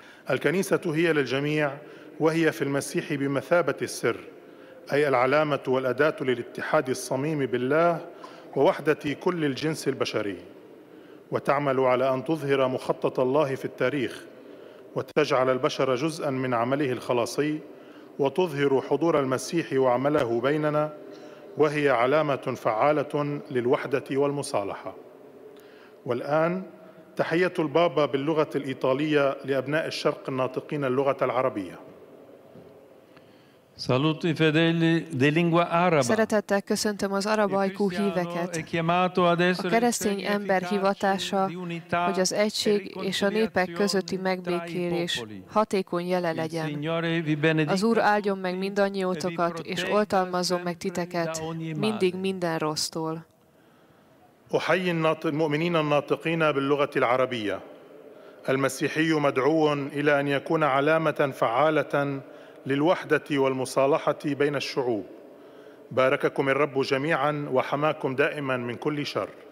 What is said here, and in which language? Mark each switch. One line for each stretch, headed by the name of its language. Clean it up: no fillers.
Arabic: الكنيسة هي للجميع، وهي في المسيح بمثابة السر، أي العلامة والأداة للاتحاد الصميم بالله ووحدة كل الجنس البشري، وتعمل على أن تظهر مخطط الله في التاريخ وتجعل البشر جزءاً من عمله الخلاصي، وتظهر حضور المسيح وعمله بيننا، وهي علامة فعالة للوحدة والمصالحة. والآن تحية البابا باللغة الإيطالية لأبناء الشرق الناطقين اللغة العربية.
Italian: Saluti fedeli di lingua araba.
Hungarian: Szeretettel köszöntöm az arabajkú híveket. A keresztény ember hivatása, hogy az egység és a népek közötti megbékélés hatékony jele legyen. Az Úr áldjon meg mindannyiótokat, és oltalmazzon meg titeket mindig minden rossztól.
Arabic: أحيي المؤمنين الناطقين باللغة العربية. المسيحي مدعو إلى أن يكون علامة فعالة للوحدة والمصالحة بين الشعوب. بارككم الرب جميعا وحماكم دائما من كل شر.